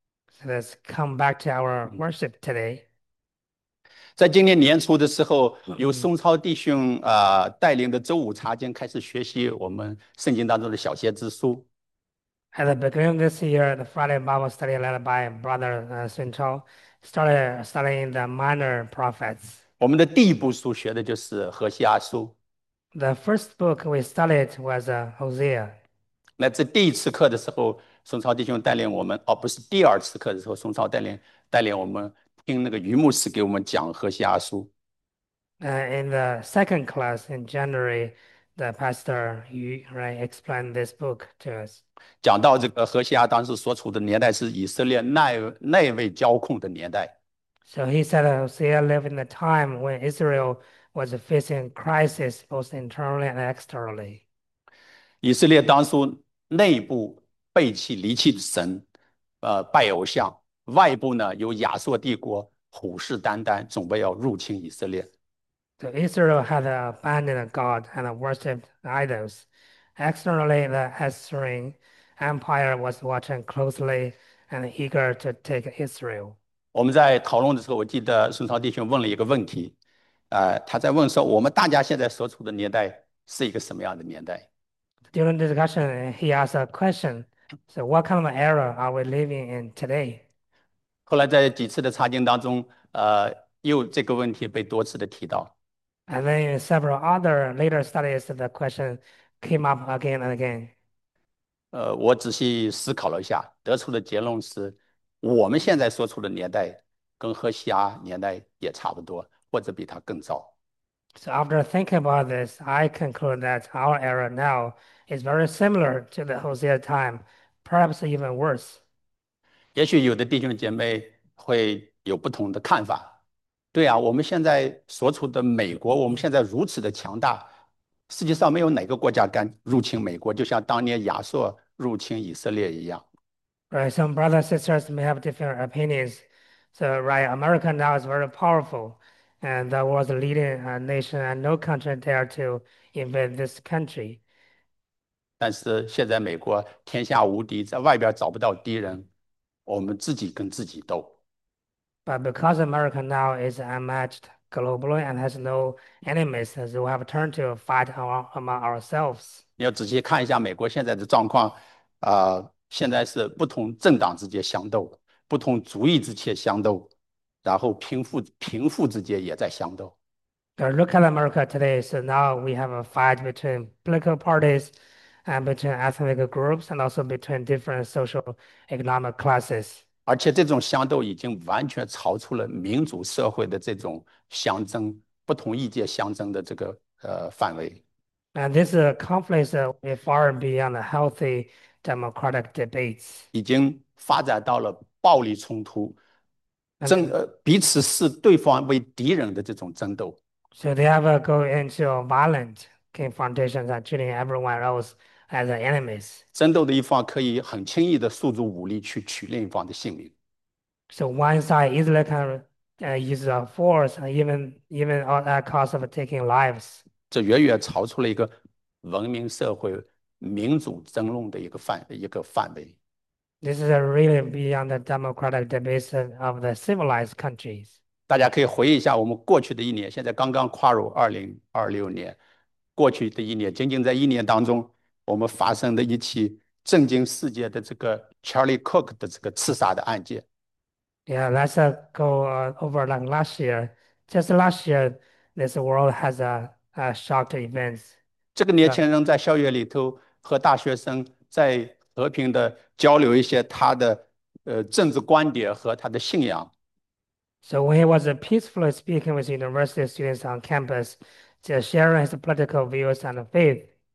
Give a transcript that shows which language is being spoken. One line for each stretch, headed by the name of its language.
English: So let's come back to our worship today.
Chinese: 在今年年初的时候，由松超弟兄带领的周五查经开始学习我们圣经当中的小先知书。
English: At the beginning of this year, the Friday Bible study led by Brother Sun Chao started studying the minor prophets.
Chinese: 我们的第一部书学的就是何西阿书。
English: The first book we studied was Hosea.
Chinese: 那在第一次课的时候，松超弟兄带领我们，哦，不是第二次课的时候，松超带领我们。听那个于牧师给我们讲何西阿书。
English: In the second class in January, the pastor Yu right, explained this book to us.
Chinese: 讲到这个何西阿当时所处的年代是以色列那位交控的年代。
English: So he said Hosea lived in the time when Israel was facing crisis both internally and externally.
Chinese: 以色列当初内部背弃离弃神，拜偶像；外部呢，有亚述帝国虎视眈眈，准备要入侵以色列。
English: So Israel had abandoned God and worshipped idols. Externally, the Assyrian Empire was watching closely and eager to take Israel.
Chinese: 我们在讨论的时候，我记得孙超弟兄问了一个问题，他在问说，我们大家现在所处的年代是一个什么样的年代？
English: During the discussion, he asked a question. So what kind of era are we living in today?
Chinese: 后来在几次的查经当中，又这个问题被多次的提到。
English: And then in several other later studies, the question came up again and again.
Chinese: 我仔细思考了一下，得出的结论是，我们现在所处的年代跟和西阿年代也差不多，或者比他更早。
English: So after thinking about this, I conclude that our era now is very similar to the Hosea time, perhaps even worse.
Chinese: 也许有的弟兄姐妹会有不同的看法。对啊，我们现在所处的美国，我们现在如此的强大，世界上没有哪个国家敢入侵美国，就像当年亚述入侵以色列一样。
English: Right, some brothers and sisters may have different opinions. So, right, America now is very powerful, and the world's leading nation, and no country dare to invade this country.
Chinese: 但是现在美国天下无敌，在外边找不到敌人。我们自己跟自己斗。
English: But because America now is unmatched globally and has no enemies, so we have turned to fight among ourselves.
Chinese: 你要仔细看一下美国现在的状况，现在是不同政党之间相斗，不同族裔之间相斗，然后贫富之间也在相斗。
English: Look at America today. So now we have a fight between political parties and between ethnic groups and also between different social economic classes.
Chinese: 而且这种相斗已经完全超出了民主社会的这种相争、不同意见相争的这个范围。
English: And this conflict is far beyond the healthy democratic debates.
Chinese: 已经发展到了暴力冲突，
English: And
Chinese: 彼此视对方为敌人的这种争斗。
English: So they have a go into violent confrontations and treating everyone else as enemies.
Chinese: 争斗的一方可以很轻易地诉诸武力去取另一方的性命。
English: So one side easily can use force, even at cost of taking lives.
Chinese: 这远远超出了一个文明社会民主争论的一个范围。
English: This is really beyond the democratic debates of the civilized countries.
Chinese: 大家可以回忆一下，我们过去的一年，现在刚刚跨入2026年，过去的一年，仅仅在一年当中。我们发生的一起震惊世界的这个 Charlie Cook 的这个刺杀的案件，
English: Yeah, let's go over like last year. Just last year, this world has a shocked events.
Chinese: 这个年轻人在校园里头和大学生在和平的交流一些他的政治观点和他的信仰。
English: So when he was peacefully speaking with university students on campus, just sharing his political views and faith,